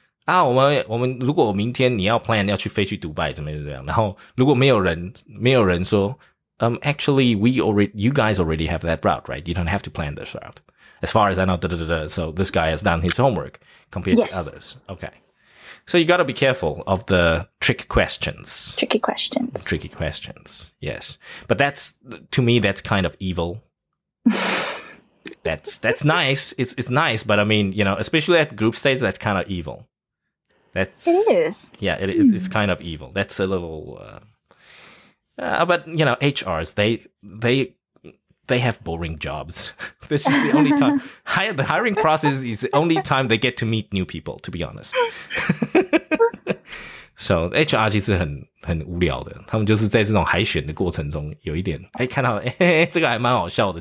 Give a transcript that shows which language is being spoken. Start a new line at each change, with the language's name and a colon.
Chinese: 啊，我们如果明天你要 plan 要去飞去迪拜，怎么样？然后如果没有人说。
English: Actually, you guys already have that route, right? You don't have to plan this route. As far as I know, so this guy has done his homework compared、 yes. to others. Okay. So you got to be careful of the trick questions. Tricky questions. Tricky questions, yes. But that's, to me, that's kind of evil. that's nice. It's nice, but I mean, you know, especially at group stage, that's kind of evil. That's, it is. Yeah, it's kind of evil. That's a little... but, you know, HRs, they have boring jobs. This is the only time. The hiring process is the only time they get to meet new people, to be honest.
Chinese: So HR 其实很无聊的。他们就是在这种海选的过程中有一点、欸、看到、欸、这个还蛮好笑的。